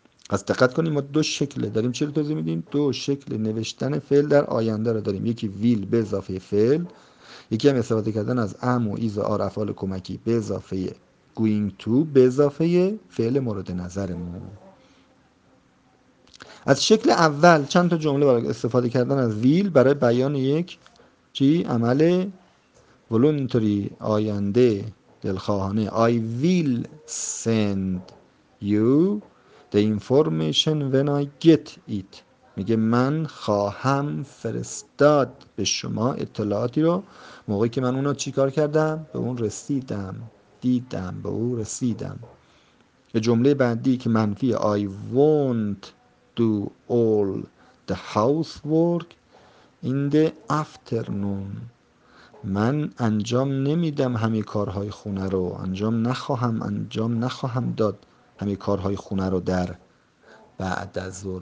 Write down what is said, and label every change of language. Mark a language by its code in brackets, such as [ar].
[fa] از دقت کنیم ما دو شکل داریم، چه رو توضیح میدیم؟ دو شکل نوشتن فعل در آینده رو داریم، یکی will به اضافه فعل، یکی هم استفاده کردن از am و is are افعال کمکی به اضافه going to به اضافه فعل مورد نظرمون. از شکل اول چند تا جمله برای استفاده کردن از will برای بیان یک چی؟ عمل voluntary آینده دلخواهانه. [en] I will send you the information when I get it. [fa] میگه من خواهم فرستاد به شما اطلاعاتی رو، موقعی که من اونو چیکار کردم، به اون رسیدم، دیدم، به اون رسیدم. یه جمله بعدی که منفی [en] I won't do all the housework in the afternoon، [fa] من انجام نمیدم همه کارهای خونه رو، انجام نخواهم داد همه کارهای خونه رو در بعد از ظهر.